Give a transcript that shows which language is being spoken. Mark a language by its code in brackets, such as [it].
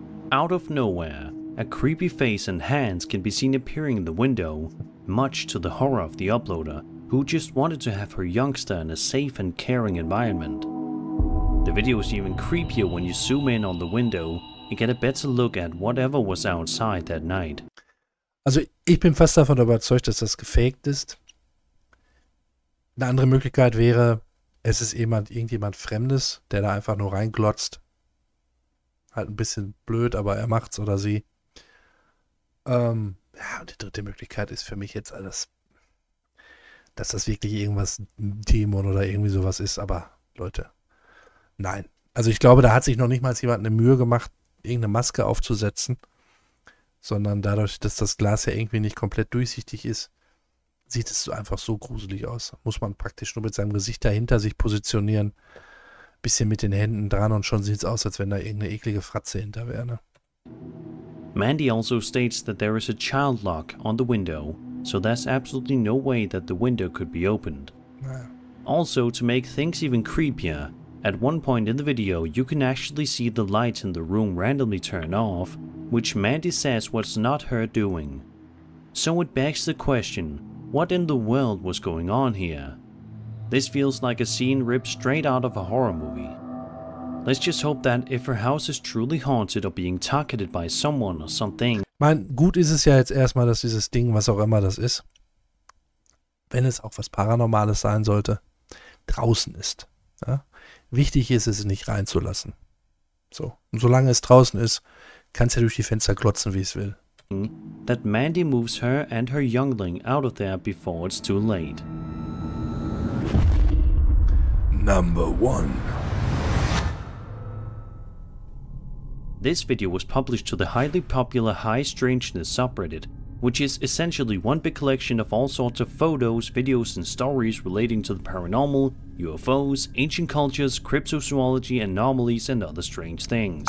[en] Out of nowhere, a creepy face and hands can be seen appearing in the window, much to the horror of the uploader, who just wanted to have her youngster in a safe and caring environment. The video is even creepier when you zoom in on the window and get a better look at whatever was outside that night. [de] Also, ich bin fast davon überzeugt, dass das gefaked ist. Eine andere Möglichkeit wäre, es ist irgendjemand Fremdes, der da einfach nur reinglotzt. Halt ein bisschen blöd, aber er macht's oder sie. Ja, und die dritte Möglichkeit ist für mich jetzt alles, dass das wirklich irgendwas, ein Dämon oder irgendwie sowas ist, aber Leute, nein. Also ich glaube, da hat sich noch nicht mal jemand eine Mühe gemacht, irgendeine Maske aufzusetzen, sondern dadurch, dass das Glas ja irgendwie nicht komplett durchsichtig ist, sieht es so einfach so gruselig aus. Muss man praktisch nur mit seinem Gesicht dahinter sich positionieren. Bisschen mit den Händen dran und schon sieht's aus, als wenn da irgendeine eklige Fratze hinter wäre. [en] Mandy also states that there is a child lock on the window, so there's absolutely no way that the window could be opened. [de] Naja. [en] Also, to make things even creepier, at one point in the video you can actually see the lights in the room randomly turn off, which Mandy says was not her doing. So it begs the question, what in the world was going on here? This feels like a scene ripped straight out of a horror movie. Let's just hope that if her house is truly haunted or being targeted by someone or something. [de] Mein, gut ist es ja jetzt erstmal, dass dieses Ding, was auch immer das ist, wenn es auch was Paranormales sein sollte, draußen ist. Ja? Wichtig ist es, nicht reinzulassen. So, und solange es draußen ist, kann es ja durch die Fenster glotzen, wie es will. [en] That Mandy moves her and her youngling out of there before it's too late. Number 1. This video was published to the highly popular High Strangeness subreddit, which is essentially one big collection of all sorts of photos, videos and stories relating to the paranormal, UFOs, ancient cultures, cryptozoology, anomalies and other strange things.